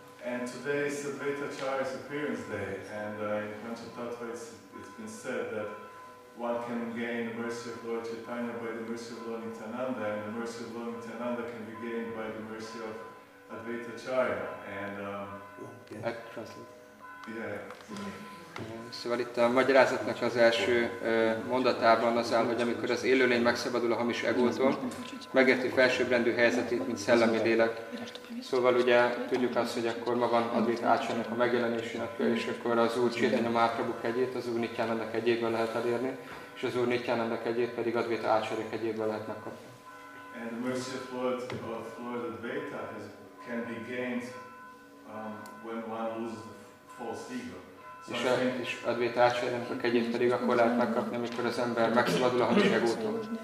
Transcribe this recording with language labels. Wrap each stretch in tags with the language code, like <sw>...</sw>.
<en>And today is Advaitacharya's appearance day, and in Panchatattva it's been said that one can gain the mercy of Lord Chaitanya by the mercy of Lord Nityananda, and the mercy of Lord Nityananda can be gained by the mercy of Advaitacharya. And I translate. Yeah.</en> <hu>Szóval itt a magyarázatnak az első mondatában az áll, hogy amikor az élőlény megszabadul a hamis egótól, megérti felsőbbrendű helyzetét, mint szellemi lélek. Szóval ugye tudjuk azt, hogy akkor ma van Advaita Acharyának a megjelenésének, és akkor az Úr Chaitanya Mahaprabhu kegyét, az Úr Nityananda kegyéből lehet elérni, és az Úr Nityananda kegyét pedig Advaita Acharya kegyéből lehet megkapni.</hu> <en>And the mercy of Lord Advaita can be gained when one loses the</en> <hu>és Advaita Acharyának a kegyét pedig akkor lehet megkapni, amikor az ember megszabadul a hamis egótól.</hu>